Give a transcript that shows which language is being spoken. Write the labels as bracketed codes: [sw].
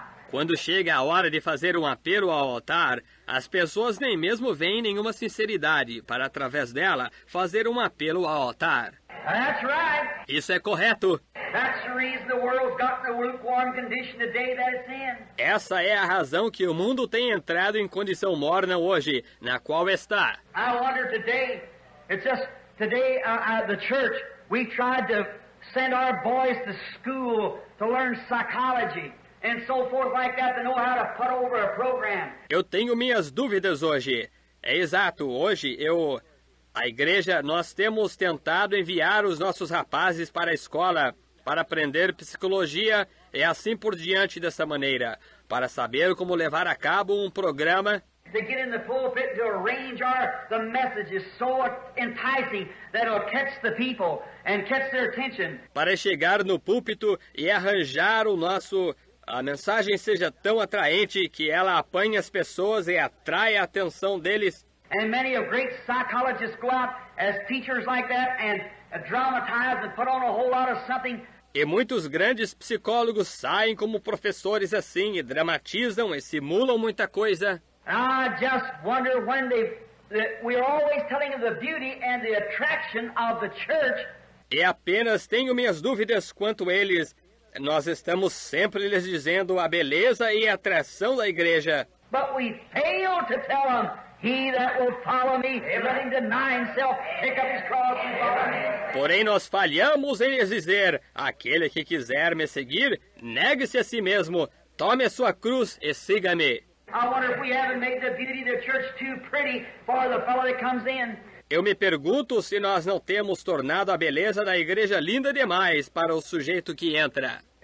[pt] Quando chega a hora de fazer um apelo ao altar, as pessoas nem mesmo veem nenhuma sinceridade para, através dela, fazer um apelo ao altar. [en] That's right. [pt] Isso é correto. [en] That's the reason the world's got in a lukewarm condition today that it's in. [pt] Essa é a razão que o mundo tem entrado em condição morna hoje, na qual está. [en] I wonder today, it's just today the church, we tried to send our boys to school to learn psychology. And so forth like that to know how to put over a program. [pt] Eu tenho minhas dúvidas hoje. É exato, hoje eu... A igreja, nós temos tentado enviar os nossos rapazes para a escola para aprender psicologia e assim por diante dessa maneira, para saber como levar a cabo um programa. [en] To get in the pulpit to arrange the messages so enticing that it'll catch the people and catch their attention. [pt] Para chegar no púlpito e arranjar o nosso... A mensagem seja tão atraente que ela apanha as pessoas e atrai a atenção deles. [en] And many of great psychologists go out as teachers like that and dramatize and put on a whole lot of something. [pt] E muitos grandes psicólogos saem como professores assim e dramatizam e simulam muita coisa. [en] I just wonder when they we're always telling of the beauty and the attraction of the church. [pt] E apenas tenho minhas dúvidas quanto eles. Nós estamos sempre lhes dizendo a beleza e a atração da igreja. [en] But we fail to tell them He that will follow me, let him deny himself, pick up his cross and follow me. [pt] Porém nós falhamos em dizer, aquele que quiser me seguir, negue-se a si mesmo, tome a sua cruz e siga-me. [en] I wonder if we haven't made the beauty of the church too pretty for the fellow that comes in. [pt] Eu me pergunto se nós não temos tornado a beleza da igreja linda demais para o sujeito que entra.